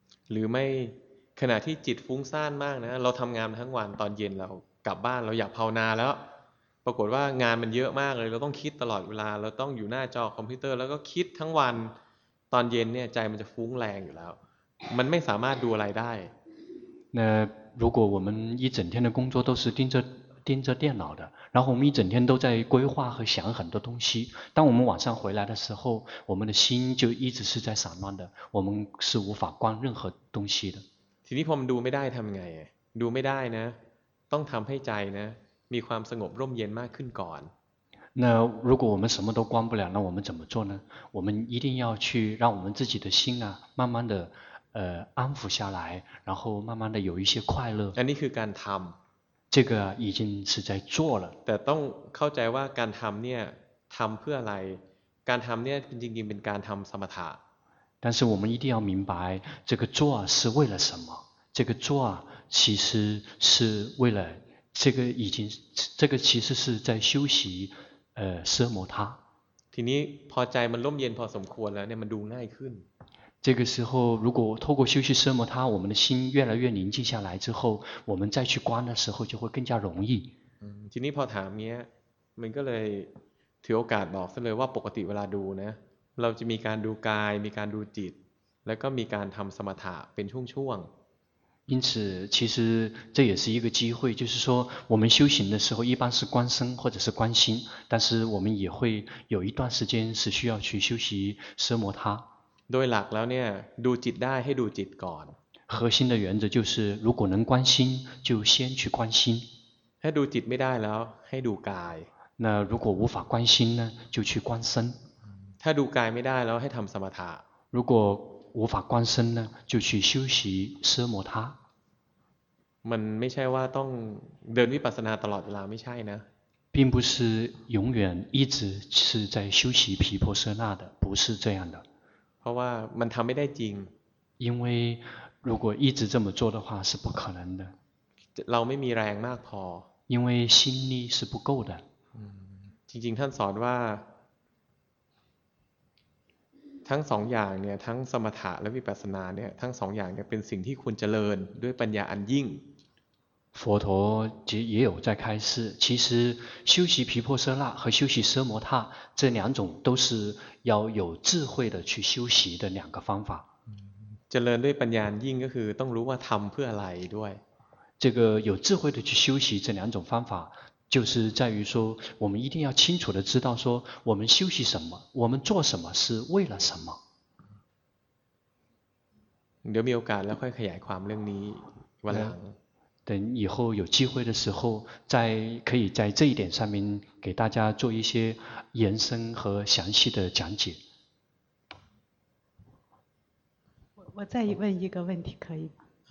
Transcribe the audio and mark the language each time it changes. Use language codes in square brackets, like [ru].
[th] หรือไม่ขณะที่จิตฟุ้งซ่านมากนะเราทำงานทั้งวันตอนเย็นเรากลับบ้านเราอยากภาวนาแล้วปรากฏว่างานมันเยอะมากเลยเราต้องคิดตลอดเวลาเราต้องอยู่หน้าจอคอมพิวเตอร์แล้วก็คิดทั้งวันตอนเย็นเนี่ยใจมันจะฟุ้งแรงอยู่แล้วมันไม่สามารถดูอะไรได้ [zh] 那如果我们一整天的工作都是盯着电脑的然后我们一整天都在规划和想很多东西当我们晚上回来的时候我们的心就一直是在散乱的我们是无法观任何东西的 [th] ทีนี้พอมันดูไม่ได้ทำไงดูไม่ได้นะต้องทำให้ใจนะมีความสงบร่มเย็นมากขึ้นก่อน [zh] 那如果我们什么都关不了那我们怎么做呢我们一定要去让我们自己的心啊慢慢的安抚下来然后慢慢的有一些快乐 [th] อันนี้คือการทำ [zh] 这个已经是在做了 [th] แต่ต้องเข้าใจว่าการทำเนี่ยทำเพื่ออะไรการทำเนี่ยจริงๆเป็นการทำสมถะ [zh] 但是我们一定要明白这个做是为了什么这个做其实是为了这个其实是在修习奢摩他 [th] ทีนี้พอใจมันร่มเย็นพอสมควรแล้วเนี่ยมันดูง่ายขึ้น [zh] 这个时候如果透过修习奢摩他我们的心越来越宁静下来之后我们再去观的时候就会更加容易 [th] ทีนี้พอถามเนี้ยมันก็เลยถือโอกาสบอกซะเลยว่าปกติเวลาดูนะเราจะมีการดูกายมีการดูจิตแล้วก็มีการทำสมถะเป็นช่วงๆ [zh] 因此其实这也是一个机会就是说我们修行的时候一般是观身或者是观心但是我们也会有一段时间是需要去修习奢摩他 [th] โดยหลักแล้วเนี่ยดูจิตได้ให้ดูจิตก่อน [zh] 核心的原则就是如果能观心就先去观心 [th] ให้ดูจิตไม่ได้แล้วให้ดูกาย [zh] 那如果无法观心呢就去观身 [th] ถ้าดูกายไม่ได้แล้วให้ทำสมถะ [zh] 如果无法观身呢就去修习奢摩他 [th] มันไม่ใช่ว่าต้องเดินวิปัสสนาตลอดเวลาไม่ใช่นะ [zh] 并不是永远一直是在修习毗婆舍那的不是这样的 [th] เพราะว่ามันทำไม่ได้จริง [zh] 因为如果一直这么做的话是不可能的 [th] เราไม่มีแรงมากพ [zh] อ因为心力是不够的 [th] จริงๆท่านสอนว่าทั้งสองอย่างเนี่ยทั้งสมถะและวิปัสสนาเนี่ยทั้งสองอย่างเนี่ยเป็นสิ่งที่ควรเจริญด้วยปัญญาอันยิ่ง [zh] 佛陀也有在开示，其实修习毗婆舍那和修习奢摩他这两种都是要有智慧的去修习的两个方法。这个对本人应该是都如果他们不来对。这个有智慧的去修习这两种方法，就是在于说我们一定要清楚的知道说我们修习什么，我们做什么是为了什么。 [th] เดี๋ยวมีโอกาสแล้วค่อยขยายความเรื่องนี้วันหลัง。 [zh] 等以后有机会的时候，再可以在这一点上面给大家做一些延伸和详细的讲解。我再问一个问题，可以吗？